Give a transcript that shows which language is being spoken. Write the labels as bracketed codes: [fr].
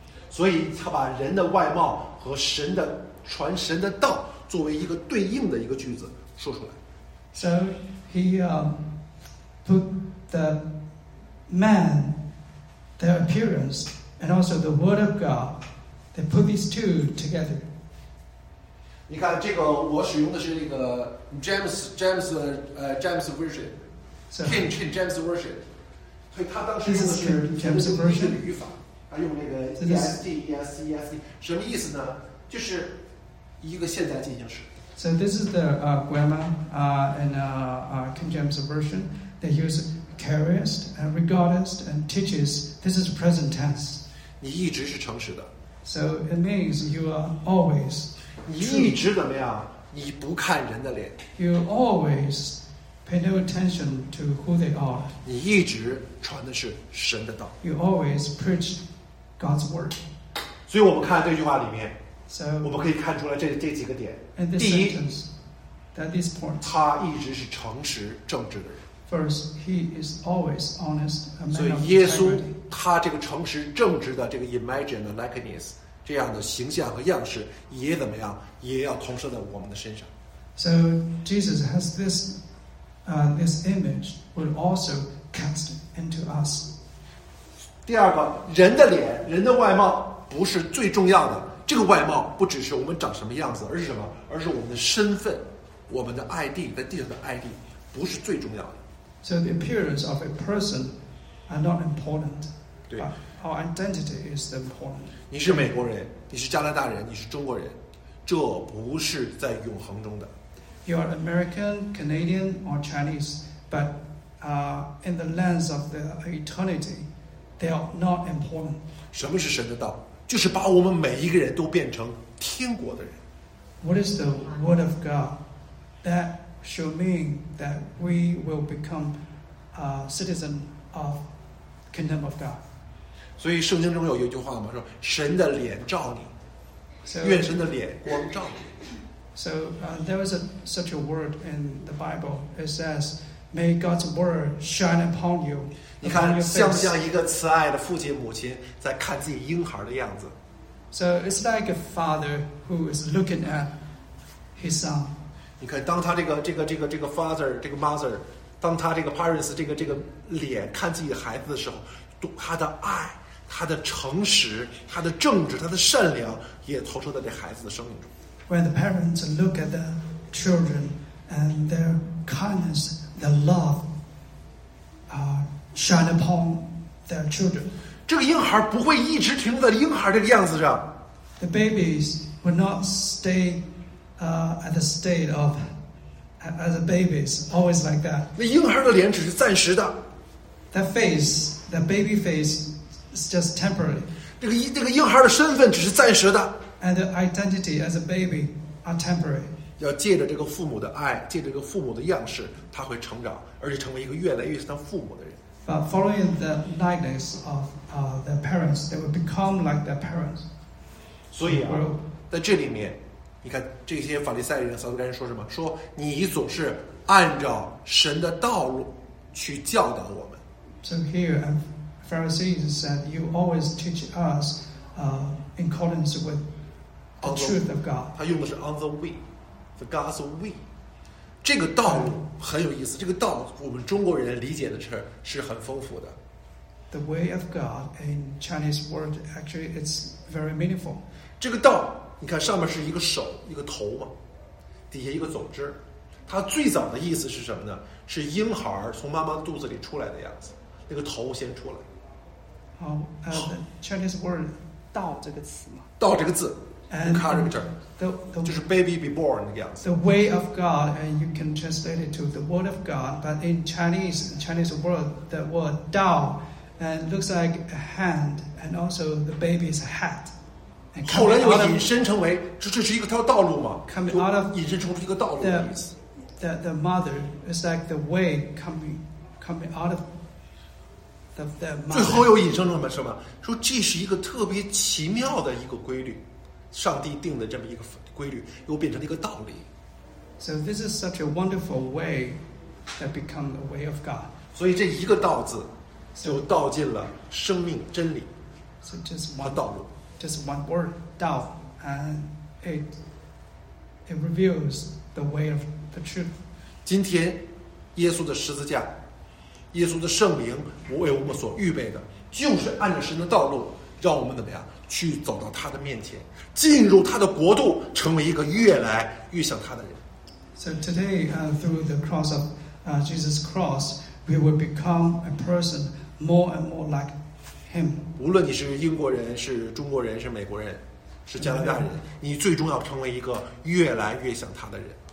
[zh] 所以他把人的外貌和神的传神的道作为一个对应的一个句子说出来。 [en] So he put the man, their appearance, and also the word of God They put these two together. [zh] 你看这个，我使用的是那个 [en] James James Version, King James Version. [zh] 所以他当时用的是 [en] James Version [zh] 语法，他用那个 ESD 什么意思呢？就是一个现在进行时。 [en] So this is the grammar and King James Version. They use carest and regardest and teaches. This is present tense. [zh] 你一直是诚实的。 [en] So it means you are always. [zh] 你一直怎么样？你不看人的脸。 [en] You always pay no attention to who they are. [zh] 你一直传的是神的道。 [en] You always preach God's word. [zh] 所以我们看这句话里面。 [en] So, [zh] 我们可以看出来 这几个点。第一 [en] sentence, that this point, [zh] 他一直是诚实正直的人。 [en] First, he is always honest, a man [zh] 所以耶稣他这个诚实正直的这个 [en] imagine likeness [zh] 这样的形象和样式也怎么样也要投射在我们的身上。 [en] So Jesus has this, this image would also cast into us. [zh] 第二个人的脸人的外貌不是最重要的。这个外貌不只是我们长什么样子，而是什么？而是我们的身份，我们的 ID， 在地上的 ID， 不是最重要的。 [en] So the appearance of a person are not important. [zh] 对 [en] ，our identity is important. [zh] 你是美国人，你是加拿大人，你是中国人，这不是在永恒中的。 [en] You are American, Canadian, or Chinese, but in the lens of the eternity, they are not important. [zh] 什么是神的道？就是把我们每一个人都变成天国的人。 [en] What is the word of God that should mean that we will become a citizen of kingdom of God? [zh] 所以圣经中有一句话嘛，说神的脸照你， [en] so, [zh] 愿神的脸光照你。 [en] So there is such a word in the Bible. It says, "May God's word shine upon you." [zh] 你看像不像一个慈爱的父亲母亲在看自己婴孩的样子 [en] So it's like a father who is looking at his son [zh] 你看当他这个 [en] father [zh] 这个 [en] mother [zh] 当他这个 [en] parents [zh] 这个脸看自己孩子的时候他的爱他的诚实他的正直他的善良也投射在这孩子的生命中 [en] When the parents look at the children and their kindness their love shine upon their children. [zh] 这个婴孩不会一直停留在婴孩这个样子上。 [en] The babies will not stay at the state of as babies, always like that. [zh] 那婴孩的脸只是暂时的。 [en] That face, that baby face, is just temporary. [zh] 这个婴孩的身份只是暂时的。 [en] And the identity as a baby are temporary. [zh] 要借着这个父母的爱，借着这个父母的样式，他会成长，而且成为一个越来越像父母的人。 [en] But following the likeness of their parents, they will become like their parents. [zh] 所以啊，在这里面，你看这些法利赛人、撒都该人说什么？说你总是按照神的道路去教导我们。 [en] So here, Pharisees said, "You always teach us in accordance with the truth of God." [zh] 他用的是 [en] "on the way," the God's way. [zh] 这个道路很有意思这个道我们中国人理解的是很丰富的 [en] The way of God in Chinese word actually it's very meaningful [zh] 这个道你看上面是一个手一个头嘛底下一个总之它最早的意思是什么呢是婴孩从妈妈肚子里出来的样子那个头先出来 [en] the Chinese word [zh] 道这个词嘛道这个字 [en] And the, [zh] 就是 [en] baby be born [zh] 的样子 [en] The way of God And you can translate it to the word of God But in Chinese word The word Dao And looks like a hand And also the baby's hat and [zh] 后来又引申成为这是一个道路吗 [en] coming out of [zh] 引申成为一个道路的意思 [en] the mother is like the way coming out of the mother [zh] 最后又引申成为什么说这是一个特别奇妙的一个规律上帝定的这么一个规律又变成了一个道理 [en] So this is such a wonderful way that become the way of God [zh] 所以这一个道字就道尽了生命真理 [en] So just one [zh] 和道路 [en] Just one word 道 And it reveals the way of the truth [zh] 今天耶稣的十字架耶稣的圣灵为我们所预备的就是按着神的道路让我们怎么样去走到他的面前，进入他的国度，成为一个越来越像他的人。 [en] So today, through the cross of Jesus' cross, we will become a person more and more like Him. [zh] 无论你是英国人，是中国人，是美国人，是加拿大人，你最终要成为一个越来越像他的人。